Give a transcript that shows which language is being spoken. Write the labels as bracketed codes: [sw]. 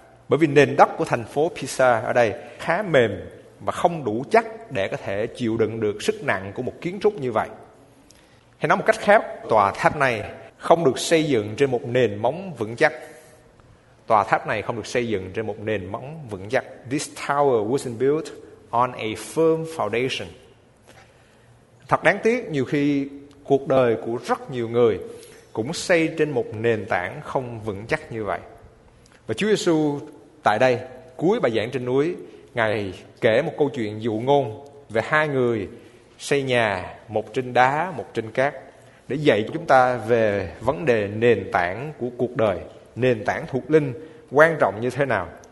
[vi] Bởi vì nền đất của thành phố Pisa ở đây khá mềm và không đủ chắc để có thể chịu đựng được sức nặng của một kiến trúc như vậy. Hay nói một cách khác, tòa tháp này không được xây dựng trên một nền móng vững chắc. Tòa tháp này không được xây dựng trên một nền móng vững chắc. [en] This tower wasn't built on a firm foundation. [vi] Thật đáng tiếc, nhiều khi cuộc đời của rất nhiều người cũng xây trên một nền tảng không vững chắc như vậy. Và Chúa Giêsu tại đây, cuối bài giảng trên núi, Ngài kể một câu chuyện dụ ngôn về hai người xây nhà, một trên đá, một trên cát, để dạy chúng ta về vấn đề nền tảng của cuộc đời, nền tảng thuộc linh quan trọng như thế nào.